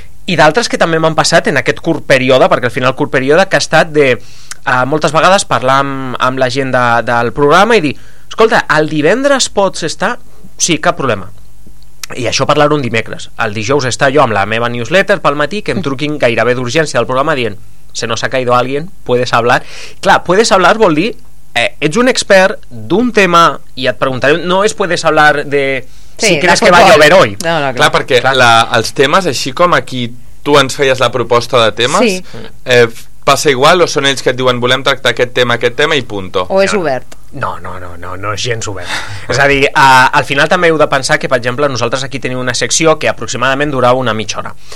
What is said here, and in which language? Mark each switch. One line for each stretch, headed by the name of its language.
Catalan: I d'altres que també m'han passat en aquest curt període, perquè al final curt període que ha estat de moltes vegades parlar amb la gent del programa i dir, escolta, el divendres pots estar? Sí, cap problema. I això parlar un dimecres. El dijous està jo amb la meva newsletter pel matí, que em truquin gairebé d'urgència del programa dient,
Spanish: se nos ha caído alguien, puedes hablar.
Catalan: Clar,
Spanish: puedes hablar
Catalan: vol dir, ets un expert d'un tema i et preguntaré, no es puedes hablar de si creus que
Spanish: va a llover hoy.
Catalan: No, no, clar, perquè els temes, així com aquí tu ens feies la proposta de temes, passa igual o són ells que et diuen volem tractar aquest tema i punto? O és obert? No és gens obert. És a dir, al final també heu de pensar que, per exemple, nosaltres aquí tenim una secció que aproximadament durava una mitja hora.